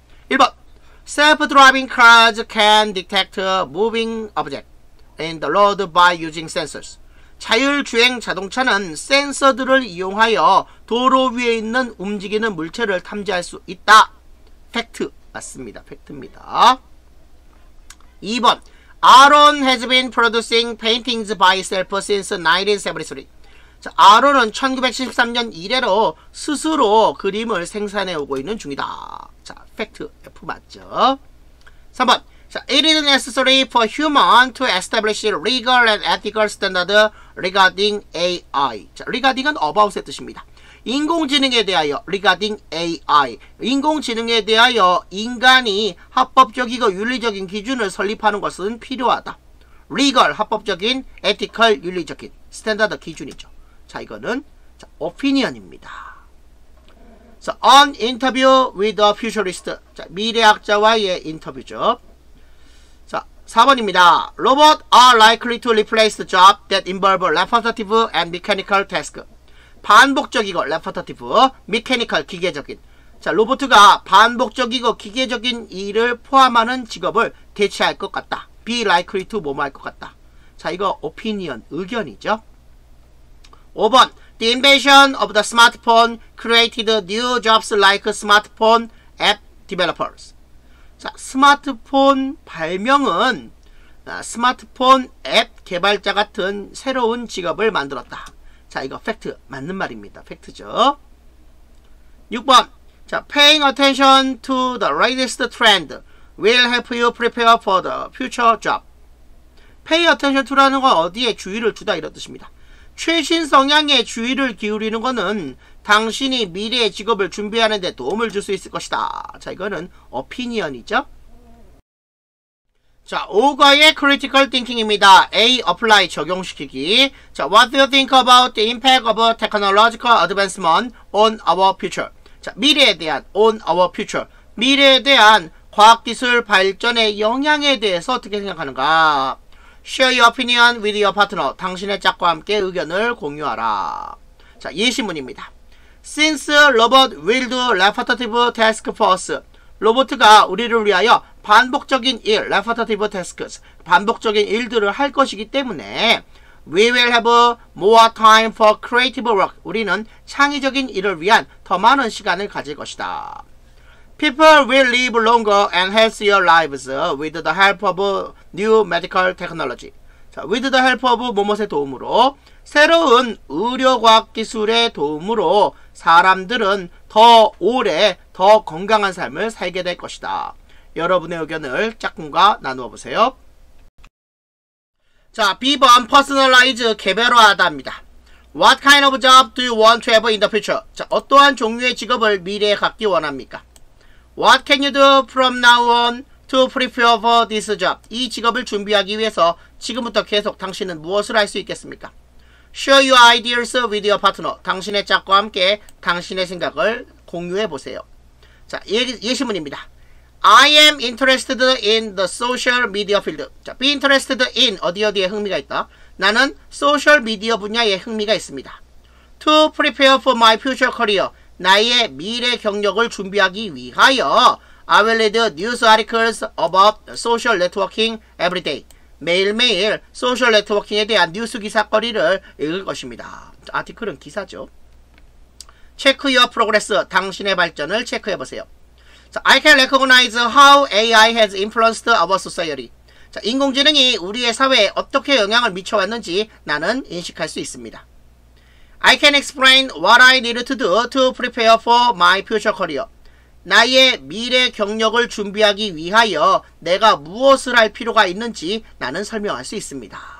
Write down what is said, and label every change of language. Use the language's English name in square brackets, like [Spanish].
[English] 1번. Self-driving cars can detect moving objects in the road by using sensors. [Korean] 자율주행 자동차는 센서들을 이용하여 도로 위에 있는 움직이는 물체를 탐지할 수 있다. [English] Fact. [Korean] 맞습니다. Fact입니다. 2번. [English] Aaron has been producing paintings by himself since 1973. [Korean] 자, 아론은 1973년 이래로 스스로 그림을 생산해 오고 있는 중이다. 자, fact, F 맞죠? 3번. [English] 자, it is necessary for human to establish legal and ethical standard regarding AI. [Korean] 자, regarding은 about의 뜻입니다. 인공지능에 대하여, regarding AI. 인공지능에 대하여 인간이 합법적이고 윤리적인 기준을 설립하는 것은 필요하다. legal, 합법적인, ethical, 윤리적인, standard 기준이죠. 자, 이거는 자, opinion입니다. [English] So, an interview with a futurist. [Korean] 자, 미래학자와의 인터뷰죠. 자, 4번입니다. [English] Robots are likely to replace jobs that involve repetitive and mechanical tasks. [Korean] 반복적이고 repetitive, mechanical, 기계적인. 자, 로봇가 반복적이고 기계적인 일을 포함하는 직업을 대체할 것 같다. Be likely to 뭐뭐할 것 같다. 자, 이거 opinion, 의견이죠. [English] 5번, the invention of the smartphone created new jobs like smartphone app developers. [Korean] 자, 스마트폰 발명은 스마트폰 앱 개발자 같은 새로운 직업을 만들었다. 자, 이거 팩트, 맞는 말입니다. 팩트죠. [English] 6번, 자, paying attention to the latest trend will help you prepare for the future job. [Korean] Pay attention to라는 건 어디에 주의를 두다 이런 뜻입니다. 최신 성향에 주의를 기울이는 것은 당신이 미래의 직업을 준비하는 데 도움을 줄 수 있을 것이다. 자, 이거는 opinion이죠. 자, 5과의 [English] critical thinking [Korean] 입니다. A, apply, 적용시키기. [English] 자, what do you think about the impact of technological advancement on our future? [Korean] 자, 미래에 대한 on our future. 미래에 대한 과학기술 발전의 영향에 대해서 어떻게 생각하는가? [English] Share your opinion with your partner. [Korean] 당신의 짝과 함께 의견을 공유하라. 자, 예시문입니다. [English] Since robot will do repetitive task for us. [Korean] 로봇가 우리를 위하여 반복적인 일, repetitive tasks, 반복적인 일들을 할 것이기 때문에 [English] we will have more time for creative work. [Korean] 우리는 창의적인 일을 위한 더 많은 시간을 가질 것이다. [English] People will live longer and healthier lives with the help of new medical technology. [Korean] 자, [English] with the help of [Korean] 뭐뭇의 도움으로 새로운 의료과학기술의 도움으로 사람들은 더 오래 더 건강한 삶을 살게 될 것이다. 여러분의 의견을 짝꿍과 나누어 보세요. 자, B번 Personalize 개별화하다입니다. [English] What kind of job do you want to have in the future? [Korean] 자, 어떠한 종류의 직업을 미래에 갖기 원합니까? [English] What can you do from now on to prepare for this job? [Korean] 이 직업을 준비하기 위해서 지금부터 계속 당신은 무엇을 할 수 있겠습니까? [English] Share your ideas with your partner. [Korean] 당신의 짝과 함께 당신의 생각을 공유해 보세요. 자, 예시문입니다. [English] I am interested in the social media field. [Korean] 자, be interested in 어디 어디에 흥미가 있다. 나는 소셜 미디어 분야에 흥미가 있습니다. [English] To prepare for my future career. [Korean] 나의 미래 경력을 준비하기 위하여 [English] I will read news articles about social networking every day. [Korean] 매일매일 소셜 네트워킹에 대한 뉴스 기사거리를 읽을 것입니다. 아티클은 기사죠. [English] Check your progress. [Korean] 당신의 발전을 체크해보세요. [English] I can recognize how AI has influenced our society. [Korean] 자, 인공지능이 우리의 사회에 어떻게 영향을 미쳐왔는지 나는 인식할 수 있습니다. [English] I can explain what I need to do to prepare for my future career. [Korean] 나의 미래 경력을 준비하기 위하여 내가 무엇을 할 필요가 있는지 나는 설명할 수 있습니다.